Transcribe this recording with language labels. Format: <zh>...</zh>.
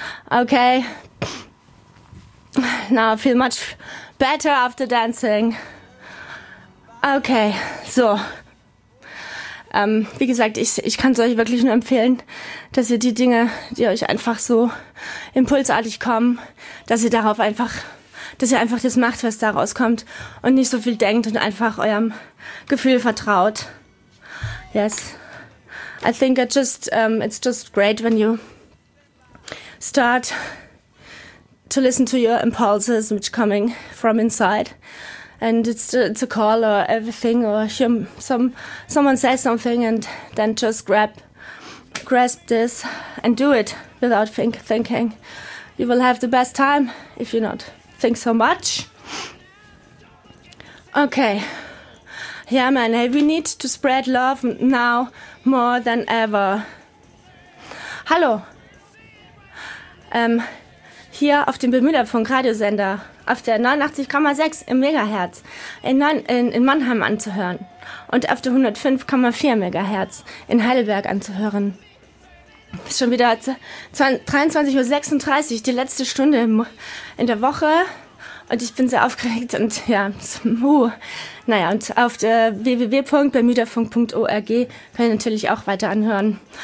<en>Okay, now I feel much better after dancing.</en> <de>Okay, so, wie gesagt, ich kann es euch wirklich nur empfehlen, dass ihr die Dinge, die euch einfach so impulsartig kommen, dass ihr einfach das macht, was da rauskommt und nicht so viel denkt und einfach eurem Gefühl vertraut.</de> <en>Yes, I think it's just great when you start to listen to your impulses which are coming from inside, and it's a call or everything, or someone says something, and then just grasp this and do it without thinking. You will have the best time if you not think so much. Okay, yeah man, hey, we need to spread love now more than ever.</en> <de>Hallo. Hier auf dem Bermuda-Funk Radiosender auf der 89,6 im Megahertz in Mannheim anzuhören und auf der 105,4 Megahertz in Heidelberg anzuhören. Ist schon wieder 23.36 Uhr, die letzte Stunde in der Woche, und ich bin sehr aufgeregt und ja, naja, und auf der www.bermudafunk.org könnt ihr natürlich auch weiter anhören.</de>